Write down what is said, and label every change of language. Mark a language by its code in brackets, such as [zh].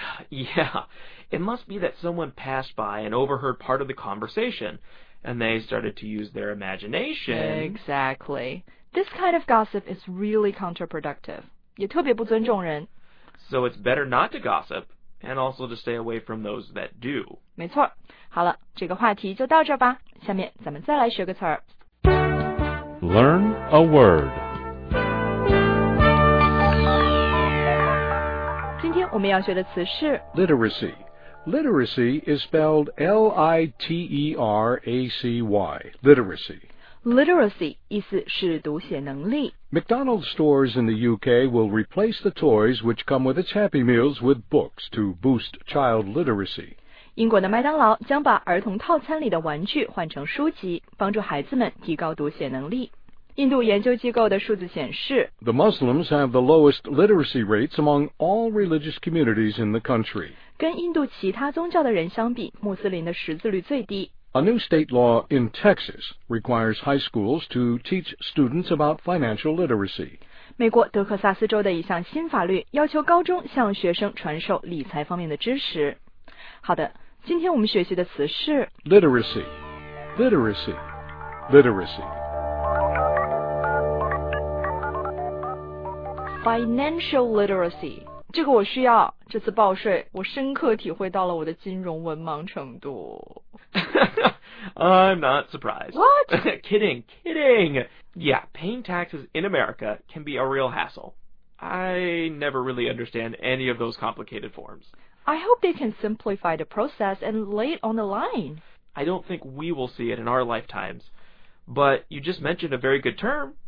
[en] ？Yeah, it must be that someone passed by and overheard part of the conversation, and they started to use their imagination. Exactly. This kind of gossip is really counterproductive. [zh] 也特别不尊重人。 [en] So it's better not to gossip, and also to stay away from those that do. [zh] 没错。好了，这个话题就到这吧。下面咱们再来学个词儿。 [en] Learn a word. [zh] 我们要学的词是 [en] literacy. Literacy is spelled L-I-T-E-R-A-C-Y. Literacy. [zh] Literacy 意思是读写能力。 [en] McDonald's stores in the UK will replace the toys which come with its Happy Meals with books to boost child literacy. [zh] 英国的麦当劳将把儿童套餐里的玩具换成书籍，帮助孩子们提高读写能力。印度研究机构的数字显示 [en] The Muslims have the lowest literacy rates among all religious communities in the country. [zh] 跟印度其他宗教的人相比，穆斯林的识字率最低。 [en] A new state law in Texas requires high schools to teach students about financial literacy. [zh] 美国德克萨斯州的一项新法律要求高中向学生传授理财方面的知识。好的，今天我们学习的词是 [en] Literacy, literacy, literacy. [zh] Financial literacy， 这个我需要。这次报税，我深刻体会到了我的金融文盲程度。 [en] I'm not surprised. What? Kidding, kidding. Yeah, paying taxes in America can be a real hassle. I never really understand any of those complicated forms. I hope they can simplify the process and lay it on the line. I don't think we will see it in our lifetimes. But you just mentioned a very good term.